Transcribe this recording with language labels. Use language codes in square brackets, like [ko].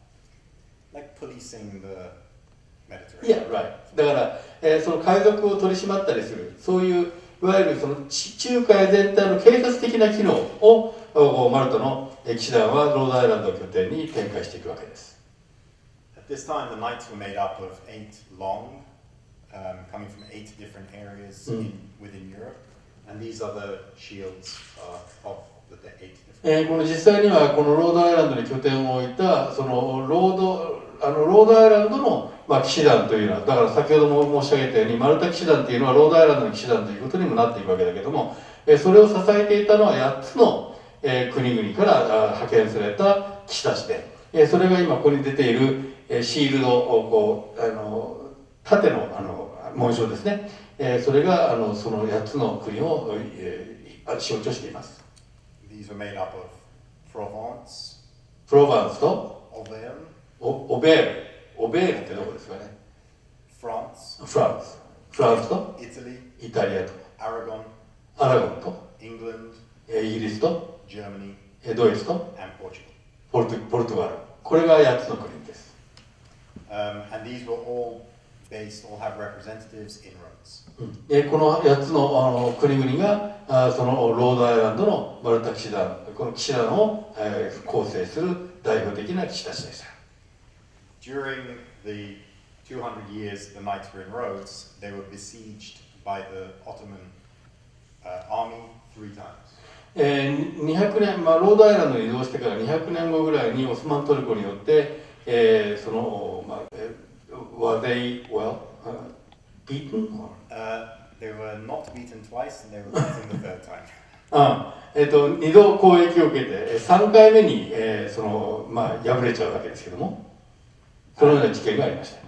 [en] 。 Like policing the Mediterranean. Yeah, right. [ja] だから、その海賊を取り締まったりする、そういう、いわゆるその地中海全体の警察的な機能を、マルタの騎士団はロードアイランド拠点に展開していくわけです。 [en] At This time the knights were made up of eight long, coming from eight different areas within Europe. And these are the shields of the eight different areas. [ja] 実際にはこのロードアイランドに拠点を置いたそのロードアイランドの、まあ、騎士団というのは、だから先ほども申し上げたようにマルタ騎士団というのはロードアイランドの騎士団ということにもなっていくわけだけども、それを支えていたのは8つの国々から派遣された騎士たちで、それが今ここに出ているシールドをこう縦 の, あの紋章ですね、それがその8つの国を象徴しています。 [en] These are made up of Provence, [ja] プロヴァンスとオベールオベールってどこですかね。フランスとイタリア、イタリアとアラゴン、アラゴンとイングランド、イギリスとジャーマニー、ドイツとポルトガル、ポルトガル、これが8つの国です。 [en] And these were all based, all have representatives in Rhodes. [ja] この8つの国々がそのロードアイランドのマルタ騎士団、この騎士団を構成する代表的な騎士たちでした。 [en] During the 200 years the knights were in Rhodes, they were besieged by the Ottoman army three times. [ja] 200年、まあ、ロードアイランドに移動してから200年後ぐらいにオスマントルコによって、その、まあ、 [en] were they, well, beaten? They were not beaten twice, and they were beaten the third time. [ja] 2度攻撃を受けて、3回目に、その、まあ、敗れちゃうわけですけども、このような事件がありました。